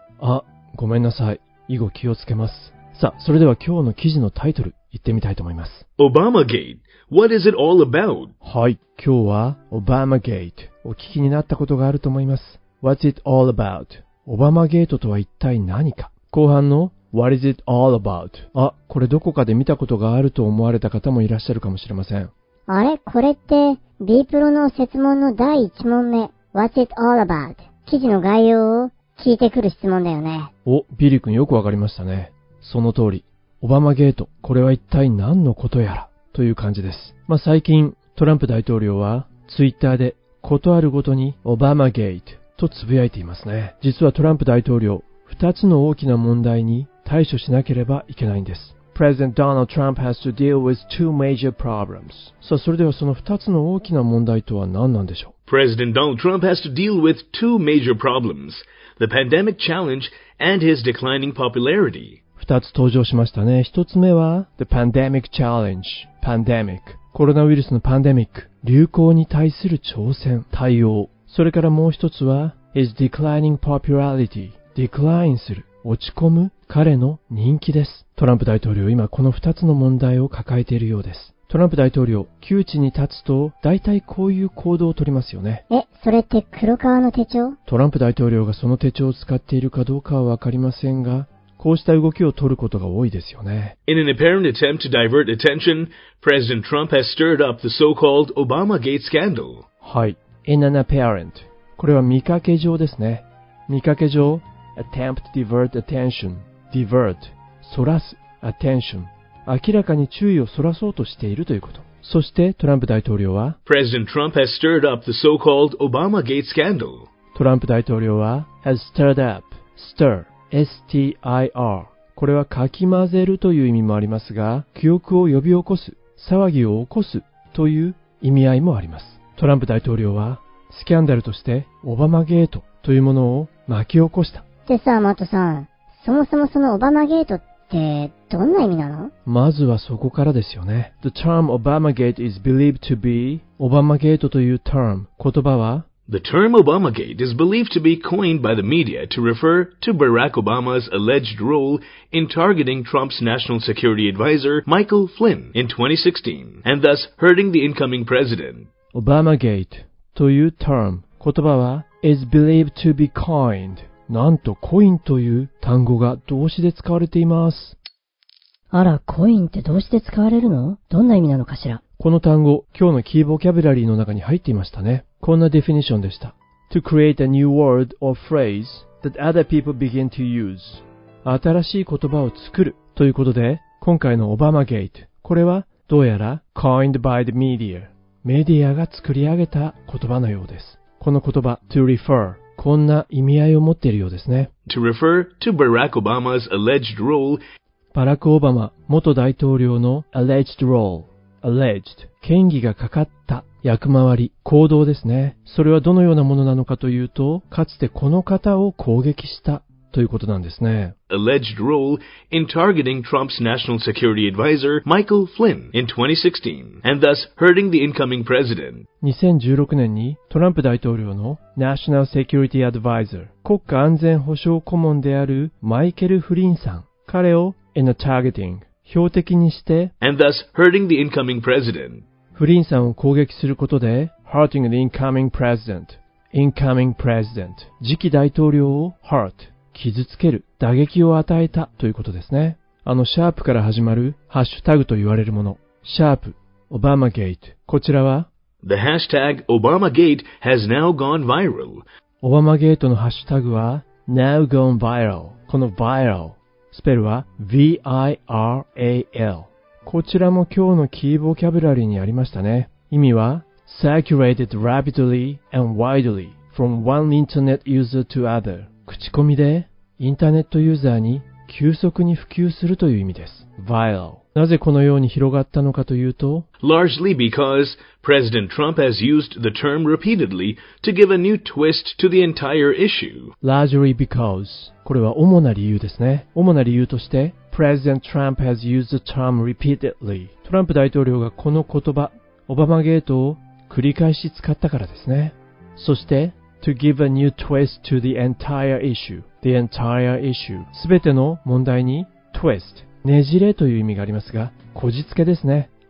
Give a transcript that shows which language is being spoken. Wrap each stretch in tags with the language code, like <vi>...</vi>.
<ja>あ、ごめんなさい。以後気をつけます。さあ、それでは今日の記事のタイトル言ってみたいと思います。</ja> <en>Obamagate. What is it all about?</en> <ja>はい、今日は Obamagate。お聞きになったことがあると思います。</ja> <en>What's it all about?</en> <ja>オバマゲートとは一体何か。後半の</ja> <en>What is it all about?</en> <ja>あ、これどこかで見たことがあると思われた方もいらっしゃるかもしれません。あれ、これって B プロの設問の第1問目</ja> <en>What's it all about?</en> <ja>記事の概要を聞いてくる質問だよね。お、ビリー君よくわかりましたね。その通り、オバマゲート、これは一体何のことやらという感じです。まあ、最近トランプ大統領はツイッターでことあるごとにオバマゲートとつぶやいていますね。実はトランプ大統領、二つの大きな問題に対処しなければいけないんです。</ja> <en>President Donald Trump has to deal with two major problems.</en> <ja>さあ、それではその二つの大きな問題とは何なんでしょう。</ja> <en>President Donald Trump has to deal with two major problems. The pandemic challenge and his declining popularity.</en> <ja>二つ登場しましたね。一つ目は</ja> <en>The pandemic challenge. Pandemic.</en> <ja>コロナウイルスのパンデミック。流行に対する挑戦、対応。それからもう一つは</ja> <en>His declining popularity.</en> <ja>Decline する。落ち込む彼の人気です。トランプ大統領、今この二つの問題を抱えているようです。トランプ大統領、窮地に立つと大体こういう行動を取りますよね。え、それって黒川の手帳？トランプ大統領がその手帳を使っているかどうかはわかりませんが、こうした動きを取ることが多いですよね。</ja> <en>In an apparent attempt to divert attention, President Trump has stirred up the so-called Obamagate scandal.</en> <ja>はい。</ja> <en>In an apparent.</en> <ja>これは見かけ上ですね。見かけ上、</ja> <en>attempt to divert attention. Divert.</en> <ja>そらす。</ja> <en>Attention.</en> <ja>明らかに注意をそらそうとしているということ。そしてトランプ大統領は、</ja> <en>President Trump has stirred up the so-called Obamagate scandal.</en> <ja>トランプ大統領は、</ja> <en>has stirred up. Stir. STIR。</en> <ja>これはかき混ぜるという意味もありますが、記憶を呼び起こす、騒ぎを起こすという意味合いもあります。トランプ大統領は、スキャンダルとして、オバマゲートというものを巻き起こした。でさ、マットさん、そもそもそのオバマゲートって、どんな意味なの？まずはそこからですよね。</ja> <en>The term Obamagate is believed to be、</en> <ja>オバマゲートという term、言葉は、</ja> <en>The term Obamagate is believed to be coined by the media to refer to Barack Obama's alleged role in targeting Trump's national security advisor Michael Flynn in 2016 and thus hurting the incoming president. Obamagate</en> <ja>という term、言葉は</ja> <en>is believed to be coined。</en> <ja>なんとコインという単語が動詞で使われています。あら、コインって動詞で使われるの？どんな意味なのかしら。この単語、今日のキーボキャブラリーの中に入っていましたね。こんなディフィニションでした。</ja> <en>To create a new word or phrase that other people begin to use.</en> <ja>新しい言葉を作るということで、今回のオバマゲート、これはどうやら</ja> <en>coined by the media。</en> <ja>メディアが作り上げた言葉のようです。この言葉</ja> <en>to refer、</en> <ja>こんな意味合いを持っているようですね。</ja> <en>To refer to Barack Obama's alleged role。</en> <ja>バラク・オバマ元大統領の</ja> <en>alleged role、</en> <ja>alleged、 嫌疑がかかった役回り、行動ですね。それはどのようなものなのかというと、かつてこの方を攻撃したということなんですね。</ja> <en>Alleged role in targeting Trump's national security advisor Michael Flynn in 2016 and thus hurting the incoming president.</en> <ja>2016年にトランプ大統領の National Security Advisor、 国家安全保障顧問であるマイケル・フリンさん、彼を</ja> <en>in a targeting、</en> <ja>標的にして</ja> <en>and thus hurting the incoming president。</en> <ja>フリンさんを攻撃することで、</ja> <en>hurting the incoming president. Incoming president.</en> <ja>次期大統領を hurt。傷つける。打撃を与えたということですね。シャープから始まるハッシュタグと言われるもの。シャープ、オバマゲイト。こちらは</ja> <en>The hashtag Obamagate has now gone viral.</en> <ja>オバマゲイトのハッシュタグは</ja> <en>now gone viral。</en> <ja>この viral。スペルは V-I-R-A-L。こちらも今日のキーボキャブラリーにありましたね。意味は</ja> <en>circulated rapidly and widely from one internet user to other。</en> <ja>口コミでインターネットユーザーに急速に普及するという意味です。</ja> <en>Viral。</en> <ja>なぜこのように広がったのかというと、</ja> <en>largely because President Trump has used the term repeatedly to give a new twist to the entire issue. Largely because</en> <ja>これは主な理由ですね。主な理由として、</ja> <en>President Trump has used the term repeatedly.</en> <ja>トランプ大統領がこの言葉、オバマゲートを繰り返し使ったからですね。</ja> <en>そして、to give a new twist to the entire issue. The entire issue.</en> <ja>すべての問題に twist。ねじれという意味がありますが、こじつけですね。</ja>